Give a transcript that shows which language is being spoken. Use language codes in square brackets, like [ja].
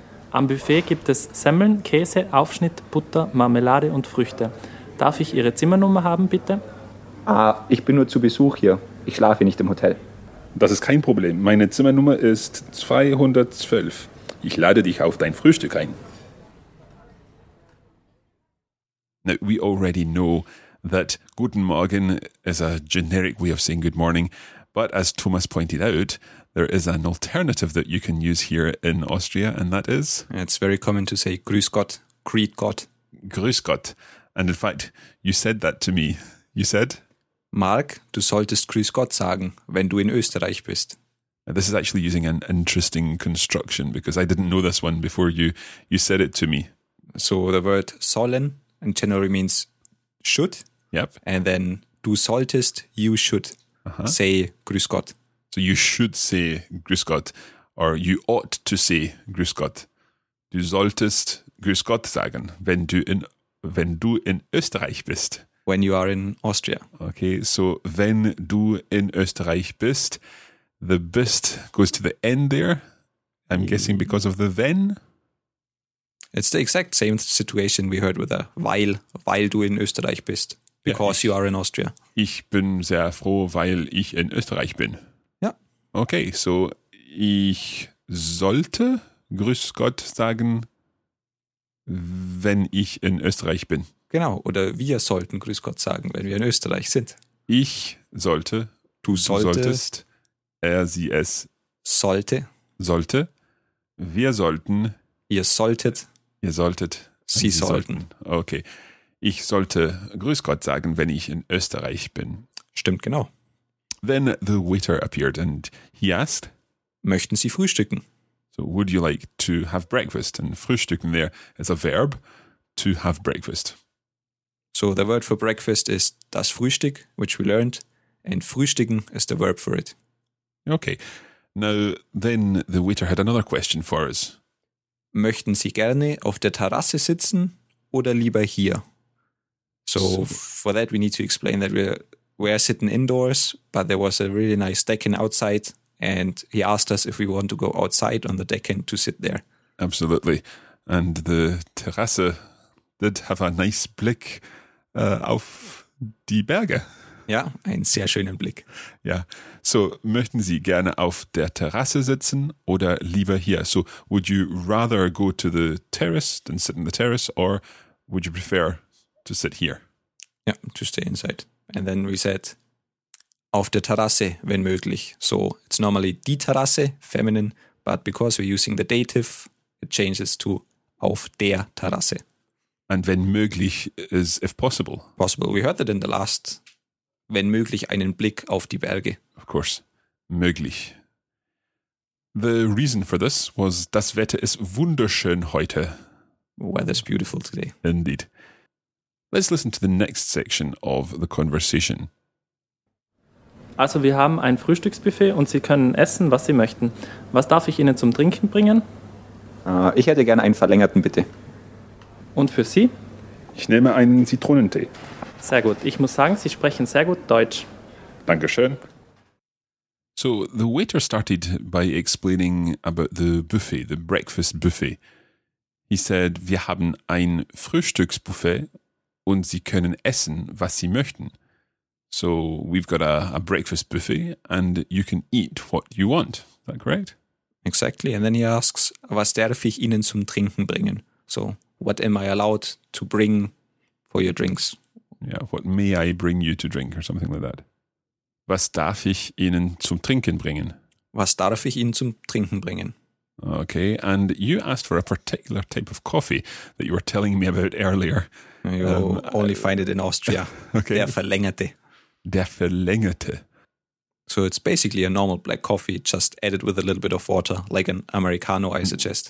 [de] Am Buffet gibt es Semmeln, Käse, Aufschnitt, Butter, Marmelade und Früchte. Darf ich Ihre Zimmernummer haben, bitte? Ich bin nur zu Besuch hier. Ich schlafe nicht im Hotel. Das ist kein Problem. Meine Zimmernummer ist 212. Ich lade dich auf dein Frühstück ein. [en] Now, we already know that Guten Morgen is a generic way of saying good morning. But as Thomas pointed out, there is an alternative that you can use here in Austria, and that is? It's very common to say Grüß Gott, greet Gott. Grüß Gott. And in fact, you said that to me. You said? [de] Marc, du solltest Grüß Gott sagen, wenn du in Österreich bist. [en] Now, this is actually using an interesting construction, because I didn't know this one before you said it to me. So the word sollen and generally means should. Yep. And then [de] du solltest, [en] you should say Grüß Gott. So you should say Grüß Gott, or you ought to say Grüß Gott. [de] Du solltest Grüß Gott sagen, wenn du in Österreich bist. [en] When you are in Austria. Okay, so [de] wenn du in Österreich bist, [en] the bist goes to the end there. I'm guessing because of the then. It's the exact same situation we heard with a [de] weil du in Österreich bist, [en] because you are in Austria. [de] Ich bin sehr froh, weil ich in Österreich bin. Ja. Okay, so ich sollte Grüß Gott sagen, wenn ich in Österreich bin. Genau, oder wir sollten Grüß Gott sagen, wenn wir in Österreich sind. Ich sollte, du solltest, er, sie, es, sollte, wir sollten, Ihr solltet. Sie sollten. Okay. Ich sollte Grüß Gott sagen, wenn ich in Österreich bin. Stimmt, genau. [en] Then the waiter appeared and he asked, [de] möchten Sie frühstücken? [en] So So would you like to have breakfast? And frühstücken there is a verb, to have breakfast. So the word for breakfast is das Frühstück, which we learned, and frühstücken is the verb for it. Okay. Now, then the waiter had another question for us. [de] Möchten Sie gerne auf der Terrasse sitzen oder lieber hier? [en] So for that, we need to explain that we're sitting indoors, but there was a really nice decking outside, and he asked us if we want to go outside on the decking to sit there. Absolutely. And the Terrasse did have a nice [de] Blick auf die Berge. Ja, einen sehr schönen Blick. Ja, so möchten Sie gerne auf der Terrasse sitzen oder lieber hier? [en] So would you rather go to the terrace than sit in the terrace, or would you prefer to sit here? Ja, to stay inside. And then we said, [de] auf der Terrasse, wenn möglich. [en] So it's normally die Terrasse, feminine, but because we're using the dative, it changes to [de] auf der Terrasse. [en] And [de] wenn möglich [en] is if possible. Possible. We heard that in the last, [de] wenn möglich einen Blick auf die Berge. [en] Of course, möglich. The reason for this was, [de] das Wetter ist wunderschön heute. [en] Weather's beautiful today. Indeed. Let's listen to the next section of the conversation. [de] Also wir haben ein Frühstücksbuffet und Sie können essen, was Sie möchten. Was darf ich Ihnen zum Trinken bringen? Ich hätte gerne einen verlängerten, bitte. Und für Sie? Ich nehme einen Zitronentee. Sehr gut. Ich muss sagen, Sie sprechen sehr gut Deutsch. Dankeschön. [en] So the waiter started by explaining about the buffet, the breakfast buffet. He said, [de] wir haben ein Frühstücksbuffet und Sie können essen, was Sie möchten. So we've got a breakfast buffet and you can eat what you want. Is that correct? Exactly. [en] And then he asks, [de] was darf ich Ihnen zum Trinken bringen? [en] So what am I allowed to bring for your drinks? Yeah, what may I bring you to drink or something like that. [de] Was darf ich Ihnen zum Trinken bringen? Was darf ich Ihnen zum Trinken bringen? [en] Okay, and you asked for a particular type of coffee that you were telling me about earlier. You only find it in Austria. [de] Okay. Der Verlängerte. Der Verlängerte. [en] So it's basically a normal black coffee, just added with a little bit of water, like an Americano, I suggest.